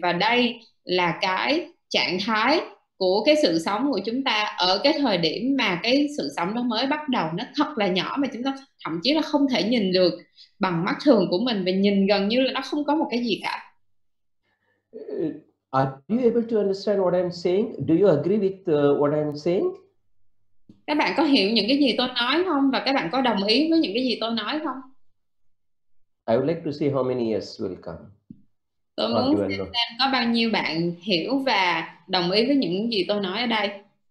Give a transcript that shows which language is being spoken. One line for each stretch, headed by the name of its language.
Vietnamese: Và đây là cái trạng thái của cái sự sống của chúng ta ở cái thời điểm mà cái sự sống nó mới bắt đầu. Nó thật là nhỏ mà chúng ta thậm chí là không thể nhìn được bằng mắt thường của mình, và nhìn gần như là nó không có một cái gì cả.
English: Are you able to understand what I'm saying? Do you agree with what I'm saying?
Vietnamese: Các bạn có hiểu những cái gì tôi nói không? Và các bạn có đồng ý với những cái gì tôi nói không?
English: I would like to see how many yes will come.
Vietnamese: Tôi muốn xem có bao nhiêu bạn hiểu và đồng ý với những gì tôi nói ở đây.